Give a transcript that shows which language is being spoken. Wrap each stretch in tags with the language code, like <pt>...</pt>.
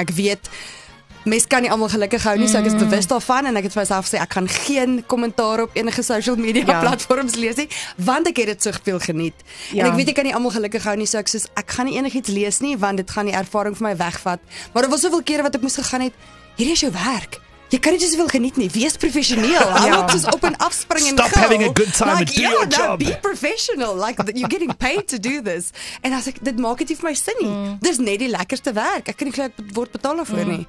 <af>Ek weet mense kan nie almal gelukkig hou nie, so ek is bewus daarvan en ek het vir myself gesê ek kan geen kommentaar op enige social media platforms lees nie, want ek het dit so veel geniet. Ja. En ek weet ek kan nie almal gelukkig hou nie, so ek soos ek gaan nie enigiets lees nie, want dit gaan die ervaring vir my wegvat. Maar daar was soveel kere wat ek moes gegaan het, hierdie is jou werk. Jy kan nie jy soveel geniet nie, wees professioneel. Ja. Hou op soos op en afspring en gil.</af> <en>Stop having a good time like, and do your job. Be professional, like you're getting paid to do this.</en> <af>En as ek, dit maak het nie vir my sin nie. Dis net die lekkerste werk. Ek kan nie geloof word betaal daarvoor nie.</af>